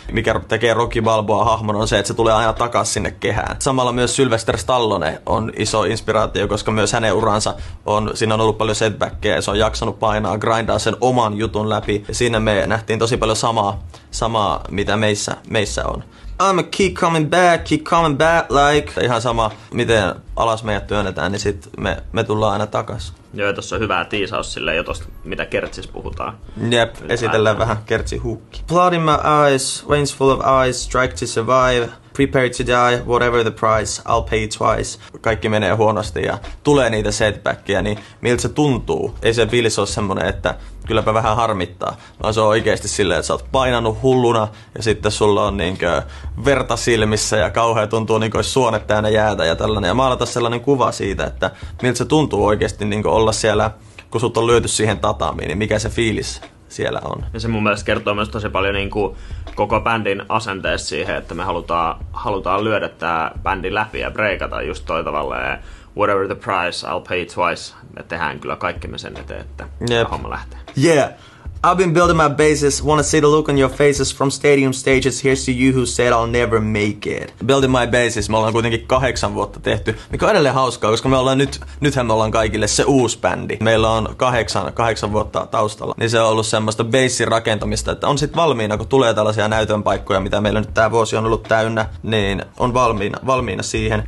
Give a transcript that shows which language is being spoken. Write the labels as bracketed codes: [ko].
[fi] Mikä tekee Rocky Balboa-hahmon on se, että se tulee aina takaisin sinne kehään. Samalla myös Sylvester Stallone on iso inspiraatio, koska myös hänen uransa on, siinä on ollut paljon setbackkejä. Se on jaksanut painaa, grindaa sen oman jutun läpi. Ja siinä me nähtiin tosi paljon samaa mitä meissä on. [en] I'ma keep coming back like. [fi] Ihan sama, miten alas meidät työnnetään, niin sit me tullaan aina takas. Joo, tossa on hyvää tiisaus silleen jo tosta, mitä kertsis puhutaan. Jep, esitellään vähän kertsihukki. [en] Blood in my eyes, veins full of ice, strike to survive, prepare to die, whatever the price, I'll pay twice. [fi] Kaikki menee huonosti ja tulee niitä setbackia, niin miltä se tuntuu? Ei se fiilis ole semmonen, että kylläpä vähän harmittaa, vaan se on oikeesti silleen, että sä oot painanut hulluna ja sitten sulla on niinkö verta silmissä ja kauhea tuntuu niinkö ois suonet täynnä jäätä ja tällainen. Ja maalata sellainen kuva siitä, että miltä se tuntuu oikeesti niinkö olla siellä, kun sut on lyöty siihen tatamiin, niin mikä se fiilis siellä on. Ja se mun mielestä kertoo myös tosi paljon niinku koko bändin asenteessa siihen, että me halutaan lyödä tää bändi läpi ja breikata just toi tavallaan. [en] Whatever the price, I'll pay twice. [fi] Me tehdään kyllä kaikkemme sen eteen, että homma lähtee. [en] Yeah, I've been building my bases. Wanna see the look on your faces from stadium stages. Here's to you who said I'll never make it. Building my bases. [fi] Me ollaan kuitenkin 8 vuotta tehty. Mikä on edelleen hauskaa, koska me ollaan nythän me ollaan kaikille se uusi bändi. Meillä on 8 vuotta taustalla. Niin se on ollut semmoista basin rakentamista, että on sit valmiina, kun tulee tällaisia näytön paikkoja, mitä meillä nyt tää vuosi on ollut täynnä, niin on valmiina siihen.